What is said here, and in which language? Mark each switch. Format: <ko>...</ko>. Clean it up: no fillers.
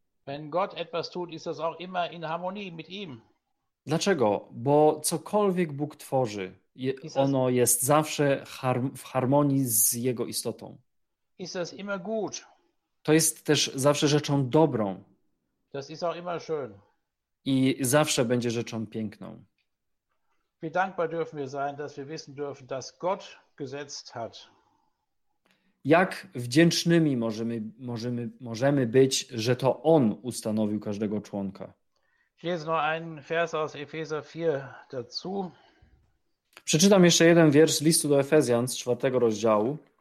<de>Wenn Gott etwas tut, ist das auch immer in Harmonie mit ihm.</de> <pl>Dlaczego? Bo cokolwiek Bóg tworzy, ono jest zawsze w harmonii z Jego istotą.</pl> <de>Ist das immer gut?</de> <pl>To jest też zawsze rzeczą dobrą.</pl> <de>Das ist auch immer schön.</de> <pl>I zawsze będzie rzeczą piękną.</pl> <de>Wie dankbar dürfen wir sein, dass wir wissen dürfen, dass Gott gesetzt hat.</de> <pl>Jak wdzięcznymi możemy być, że to On ustanowił każdego członka.</pl> <de>Ich lese noch einen Vers aus Epheser 4 dazu.</de> <pl>Przeczytam jeszcze jeden wiersz z listu do Efezjan z 4 rozdziału.</pl>